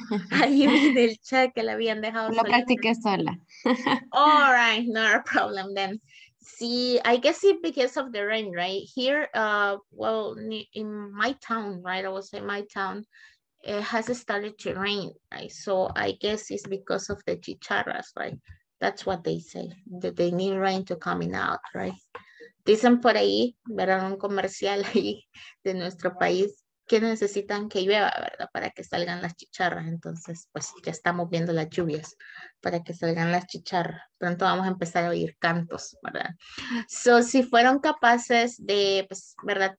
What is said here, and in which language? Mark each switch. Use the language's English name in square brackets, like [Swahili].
[Spanish] Ahí viene el chat que la habían dejado sola. Lo practiqué sola. [English] All right, no problem then. See, I guess it's because of the rain, right? Here, well, in my town, right? I will say my town, it has started to rain, right? So I guess it's because of the chicharras, right? That's what they say, that they need rain to coming out, right? [Spanish] Dicen por ahí, verán un comercial ahí de nuestro país, que necesitan que llueva, ¿verdad? Para que salgan las chicharras. Entonces, pues ya estamos viendo las lluvias para que salgan las chicharras. Pronto vamos a empezar a oír cantos, ¿verdad? So, si fueron capaces de, pues, ¿verdad?